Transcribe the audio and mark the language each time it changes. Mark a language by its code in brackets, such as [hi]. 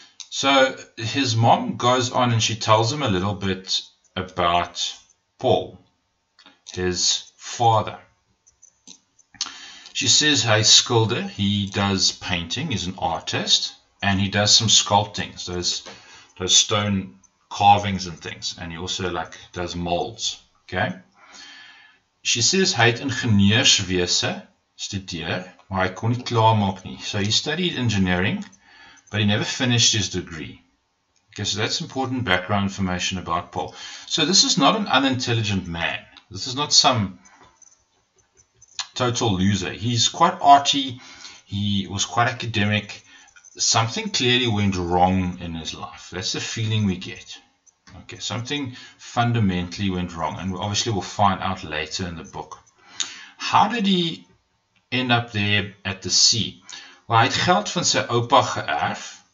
[en] So his mom goes on and she tells him a little bit about Paul, his father. She says he's a sculptor. He does painting. He's an artist. And he does some sculpting, those stone carvings and things. And he also like does molds. Okay. She says [af] hy het ingenieurswese studeer, maar hy kon nie klaar maak nie. [en] So he studied engineering, but he never finished his degree. Okay, so that's important background information about Paul. So this is not an unintelligent man. This is not some total loser. He's quite arty. He was quite academic. Something clearly went wrong in his life. That's the feeling we get. Okay, something fundamentally went wrong, and obviously we'll find out later in the book. How did he end up there at the sea? [af] Well, hy het geld van sy oupa geërf.